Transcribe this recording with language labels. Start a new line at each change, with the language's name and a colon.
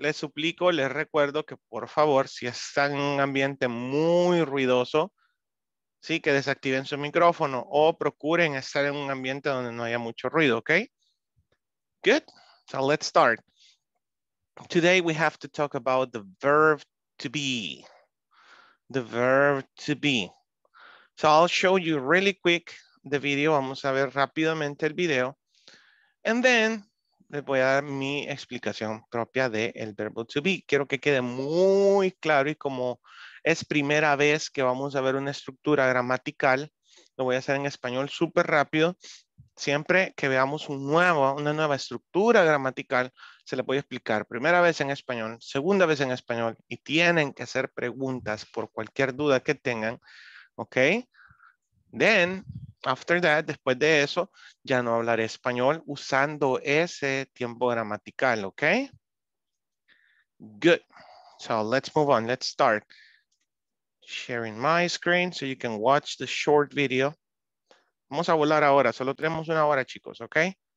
Spanish: Les suplico, les recuerdo que por favor, si están en un ambiente muy ruidoso, sí, que desactiven su micrófono o procuren estar en un ambiente donde no haya mucho ruido, okay?
English: Good. So let's start. Today we have to talk about the verb to be. The verb to be. So I'll show you really quick the video.
Spanish: Vamos a ver rápidamente el video.
English: And then,
Spanish: les voy a dar mi explicación propia de el verbo to be. Quiero que quede muy claro y como es primera vez que vamos a ver una estructura gramatical, lo voy a hacer en español súper rápido. Siempre que veamos una nueva estructura gramatical, se le puede explicar primera vez en español, segunda vez en español, y tienen que hacer preguntas por cualquier duda que tengan, ¿ok?
English: Then, after that,
Spanish: después de eso, ya no hablaré español usando ese tiempo gramatical, ¿ok?
English: Good. So, let's move on. Let's start sharing my screen so you can watch the short video.
Spanish: Vamos a volar ahora, solo tenemos una hora, chicos, ¿ok?